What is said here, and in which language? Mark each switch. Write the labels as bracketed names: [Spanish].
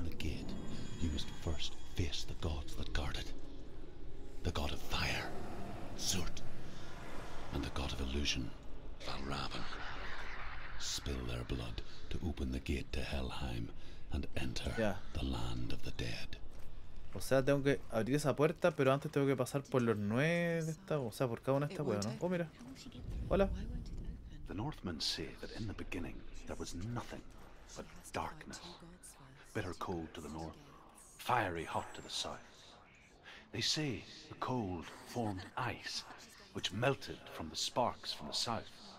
[English] The gate, you must first face the gods that guard it. The god of fire, Surt, and the god of illusion, Valravn. Spill their blood to open the gate to Helheim and enter the land of the dead. [Spanish] O sea, tengo que abrir esa puerta, pero antes tengo que pasar por los 9 de esta, o sea, por cada una de estas huevas, ¿no? Oh, mira. Hola. [English] The Northmen say that in the beginning there was nothing but darkness. Bitter cold to the north, fiery hot to the south. They say the cold formed ice, which melted from the sparks from the south.